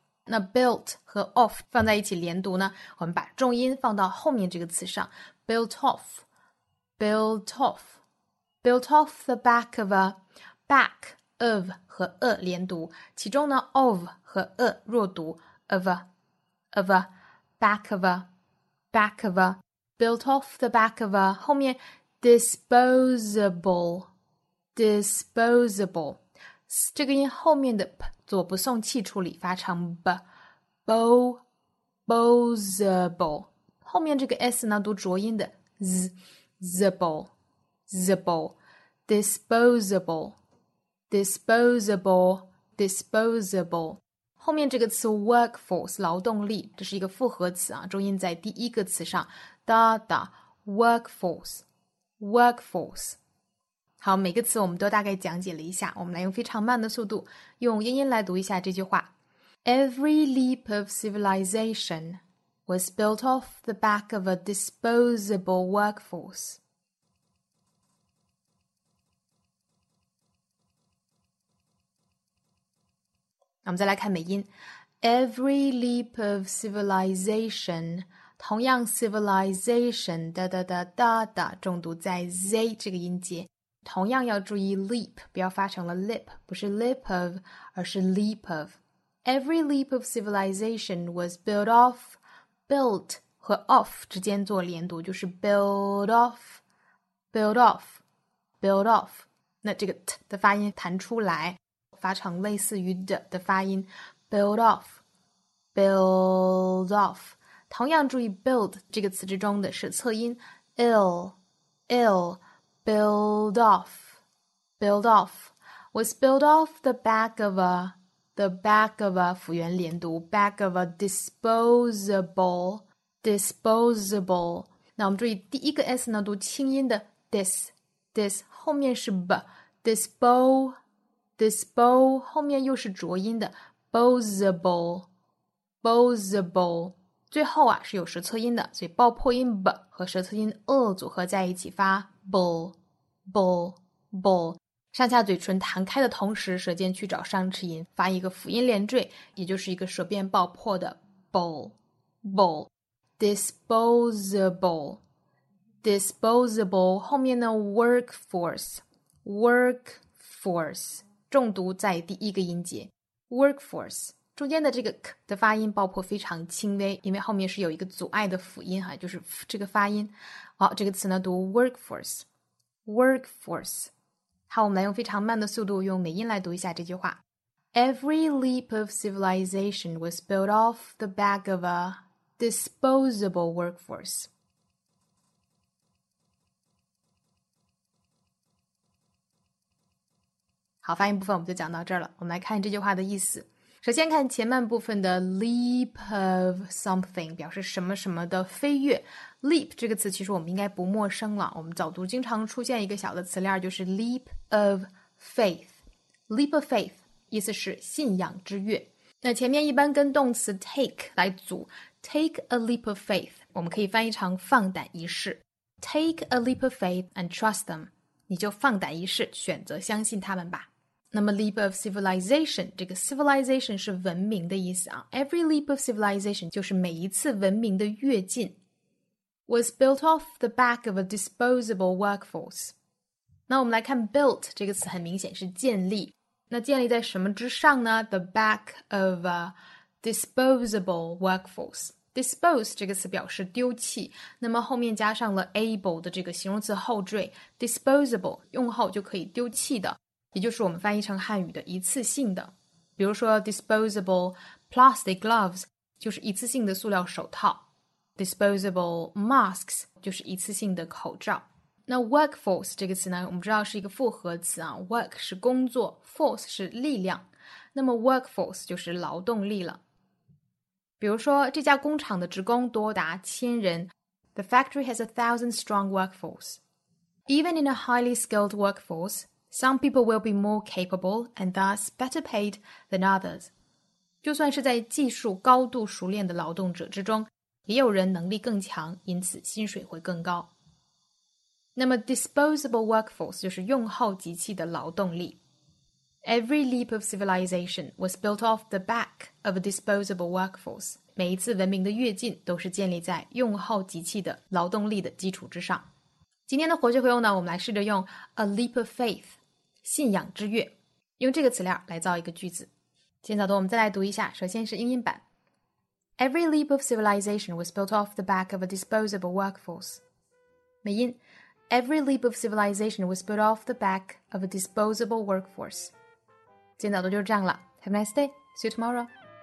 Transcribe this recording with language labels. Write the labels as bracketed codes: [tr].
[zh] 那 built 和 off 放在一起连读呢，我们把重音放到后面这个词上 built off, [en] built off, built off the back of a, back of 和 a 连读，其中呢 of 和 a 弱读 of a, of a, back of a, back of a, built off the back of a, 后面 disposable, disposable, 这个音后面的 p左不送气处理，发成 b, bo-bo-zable. [zh] 后面这个 s 呢，读浊音的 z-zable-zable. [en] disposable-disposable-disposable. [zh] 后面这个词 workforce, 劳动力，这是一个复合词啊，重音在第一个词上 da-da-workforce-workforce. 好，每个词我们都大概讲解了一下，我们来用非常慢的速度用英音来读一下这句话。 [en] Every leap of civilization was built off the back of a disposable workforce. [zh] Now, 我们再来看美音。 [en] Every leap of civilization, [zh] 同样 civilization, 哒哒哒哒哒，重读在 z 这个音节。同样要注意 leap, 不要发成了 lip, 不是 lip of, 而是 leap of. [en] Every leap of civilization was built off, built 和 off 之间做连读，就是 build off, build off, build off. [zh] 那这个 t 的发音弹出来，发成类似于 d 的发音， build off, build off. 同样注意 build 这个词之中的舌侧音 ill, ill. [en] Build off, build off, was built off the back of a, the back of a, 复原连读 back of a disposable, disposable. [zh] 那我们注意第一个 S 呢读轻音的 dis, dis, 后面是 b, dispo, dispo, 后面又是浊音的 bosable, bosable. 最后啊是有舌侧音的，所以爆破音 b 和舌侧音 l 组合在一起发 bull, bull, bull。上下嘴唇弹开的同时，舌尖去找上齿龈，发一个辅音连缀，也就是一个舌边爆破的 bowl bowl disposable disposable 后面呢 workforce workforce 重读在第一个音节 workforce 中间的这个 k 的发音爆破非常轻微，因为后面是有一个阻碍的辅音哈，就是这个发音。好，这个词呢读 workforce workforce。好，我们来用非常慢的速度用美音来读一下这句话。 [en] Every leap of civilization was built off the back of a disposable workforce. [zh] 好，发音部分我们就讲到这儿了。我们来看这句话的意思。首先看前半部分的 leap of something, 表示什么什么的飞跃。 leap 这个词其实我们应该不陌生了，我们早读经常出现一个小的词链，就是 leap of faith。 leap of faith 意思是信仰之跃。那前面一般跟动词 take 来组 ,take a leap of faith, 我们可以翻译成放胆一试。 [en] take a leap of faith and trust them, [zh] 你就放胆一试，选择相信他们吧。那么 leap of civilization, 这个 civilization 是文明的意思啊。 [en] Every leap of civilization [zh] 就是每一次文明的跃进。 [en] Was built off the back of a disposable workforce. [zh] 那我们来看 built 这个词很明显是建立。那建立在什么之上呢 [en] ?The back of a disposable workforce. [zh] Dispose 这个词表示丢弃。那么后面加上了 able 的这个形容词后缀 ,disposable, 用后就可以丢弃的。也就是我们翻译成汉语的一次性的。比如说 disposable plastic gloves, 就是一次性的塑料手套。 disposable masks, 就是一次性的口罩。那 workforce 这个词呢我们知道是一个复合词啊 ,work 是工作 ,force 是力量。那么 workforce 就是劳动力了。比如说这家工厂的职工多达千人。 [en] The factory has a 1,000 strong workforce. Even in a highly skilled workforce,Some people will be more capable and thus better paid than others. [zh] 就算是在技术高度熟练的劳动者之中，也有人能力更强，因此薪水会更高。那么 disposable workforce 就是用后即弃的劳动力。 [en] Every leap of civilization was built off the back of a disposable workforce. [zh] 每一次文明的跃进都是建立在用后即弃的劳动力的基础之上。今天的活学活用呢，我们来试着用 a leap of faith, 信仰之跃，用这个词链来造一个句子。今天早读我们再来读一下，首先是英音版。 [en] Every leap of civilization was built off the back of a disposable workforce. 美音 Every leap of civilization was built off the back of a disposable workforce. 今天早读就是这样了。 Have a nice day. See you tomorrow.